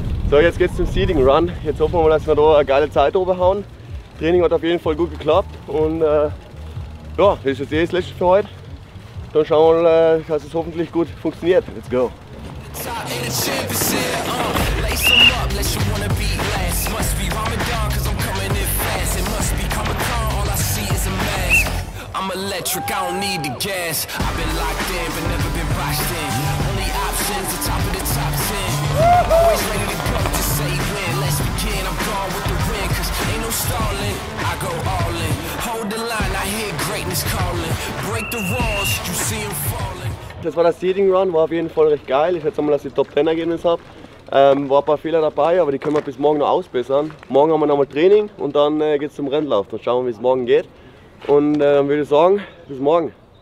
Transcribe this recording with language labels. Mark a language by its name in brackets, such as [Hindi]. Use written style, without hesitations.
[German] So, jetzt geht's zum Seeding Run. Jetzt hoffen wir mal, dass wir da eine geile Zeit drüber hauen. Training hat auf jeden Fall gut geklappt und ja, das ist jetzt das letzte für heute. Dann schauen wir mal, dass es hoffentlich gut funktioniert. [English] Let's go! I'm electric, I don't need the gas. I've been locked in, but never been boxed in. Only options, the top of the top 10. Always ready to go to say when. Let's begin, I'm gone with the wind. Cause ain't no stalling, I go all in. Hold the line, I hear greatness calling. Break the walls, you see them falling. [German] Das war der Seeding Run, war auf jeden Fall recht geil. Ich schätze mal, dass ich Top 10 Ergebnis habe. War ein paar Fehler dabei, aber die können wir bis morgen noch ausbessern. Morgen haben wir nochmal Training und dann geht es zum Rennlauf. Dann schauen wir, wie es morgen geht. Und dann würde ich sagen, bis morgen.